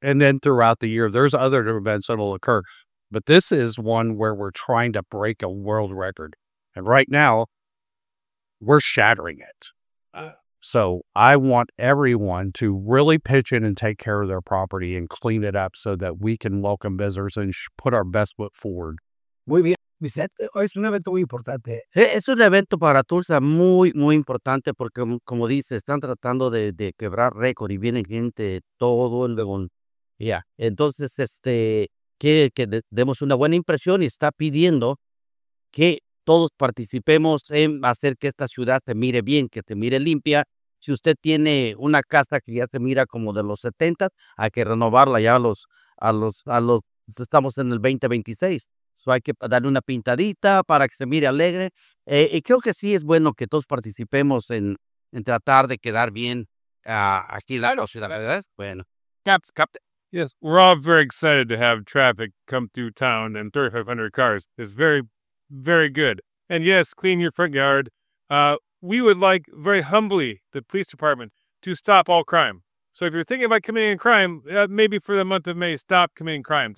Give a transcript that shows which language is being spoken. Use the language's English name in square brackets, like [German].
[English] And then throughout the year, there's other events that will occur. But this is one where we're trying to break a world record. And right now, we're shattering it. So I want everyone to really pitch in and take care of their property and clean it up so that we can welcome visitors and put our best foot forward [Spanish] Muy bien. Vicente, hoy es un evento muy importante. Es un evento para Tulsa muy, muy importante porque, como dice, están tratando de quebrar récord y vienen gente de todo el mundo. [English] Yeah. [Spanish] Entonces, quiere que demos una buena impresión y está pidiendo que todos participemos en hacer que esta ciudad se mire bien, que se mire limpia. Si usted tiene una casa que ya se mira como de los 70, hay que renovarla ya a los estamos en el 2026. So hay que darle una pintadita para que se mire alegre. Y creo que sí es bueno que todos participemos en tratar de quedar bien aquí en la ciudad, ¿verdad? Bueno. [English] Captain. Yes, we're all very excited to have traffic come through town and 3,500 cars. It's very, very good. And yes, clean your front yard. We would like, very humbly, the police department to stop all crime. So if you're thinking about committing a crime, maybe for the month of May, stop committing crimes.